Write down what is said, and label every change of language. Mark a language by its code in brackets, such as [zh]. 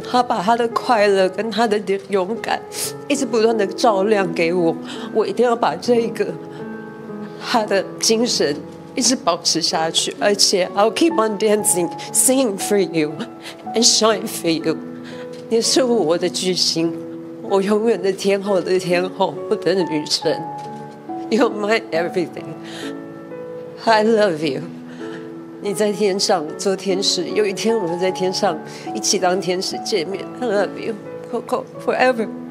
[zh] 他把他的快乐跟他的勇敢一直不断的照亮给我，我一定要把这个他的精神一直保持下去，而且 [en] I'll keep on dancing, singing for you [zh] and shine for you. 你是我的巨星，我永远的天后的天后，我的女神。 [en] You're my everything, I love you. [zh] 你在天上做天使，有一天我们在天上一起当天使见面。 [en] I love you, Coco, forever.